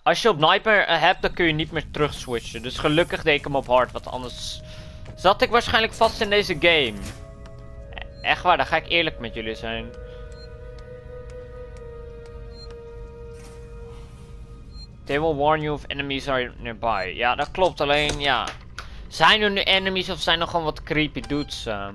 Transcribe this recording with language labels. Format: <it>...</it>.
<nl>Als je op Nightmare hebt, dan kun je niet meer terug switchen. Dus gelukkig deed ik hem op hard, want anders zat ik waarschijnlijk vast in deze game. Echt waar, dan ga ik eerlijk met jullie zijn.</nl> <en>They will warn you if enemies are nearby.</en> <nl>Ja, dat klopt, alleen ja. Zijn er nu enemies of zijn er gewoon wat creepy dudes?</nl>